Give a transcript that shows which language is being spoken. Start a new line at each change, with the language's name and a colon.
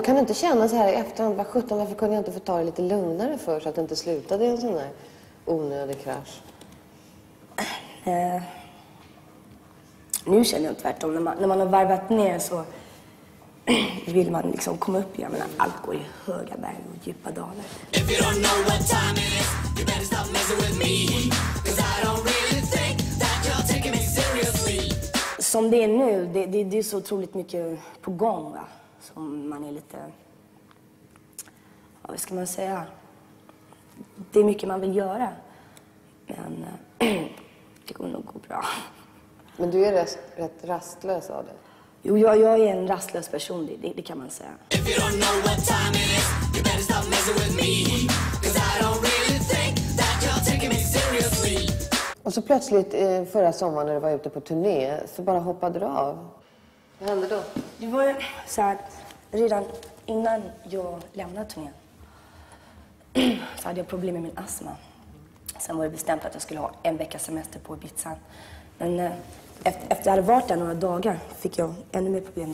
Swedish: Kan du inte känna så här i efterhand? Var 17, varför kunde jag inte få ta det lite lugnare för så att det inte slutade en sån där onödig krasch? Nu känner jag tvärtom. När man har varvat ner så vill man liksom komma upp igen. Men allt går i höga berg och djupa dalar.
English: If you don't know what time it is, you better stop messing with me. Cause I don't really think that you're taking me seriously.
Swedish: Som det är nu, det är så otroligt mycket på gång, va? Som man är lite, vad ska man säga? Det är mycket man vill göra. Men det kommer nog gå bra. Men du är rätt rastlös av det. Jo, jag är en rastlös person, det kan man säga.
English: If you don't know what time it is, you better stop messing with me. Cause I don't really think that you're taking me seriously.
Swedish: Och så plötsligt förra sommaren när du var ute på turné så bara hoppade du av. Vad hände då? Det var ju så här, redan innan jag lämnade turnén så hade jag problem med min astma. Sen var det bestämt att jag skulle ha en vecka semester på Ibiza. Men efter att jag hade varit där några dagar fick jag ännu mer problem.